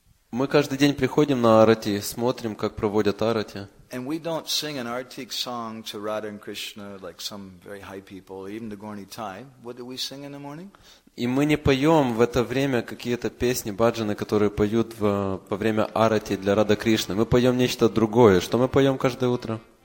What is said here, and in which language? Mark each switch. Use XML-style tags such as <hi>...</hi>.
<ru>Мы каждый день приходим на арти, смотрим, как проводят арти.</ru> <en>And we don't sing an artik song to Radha and Krishna like some very high people, even the Gorni Thai. What do we sing in the morning?</en> <ru>И мы не поем в это время какие-то песни, баджаны, которые поют во время арати для Рада Кришны. Мы поем нечто другое. Что мы поем каждое утро?</ru>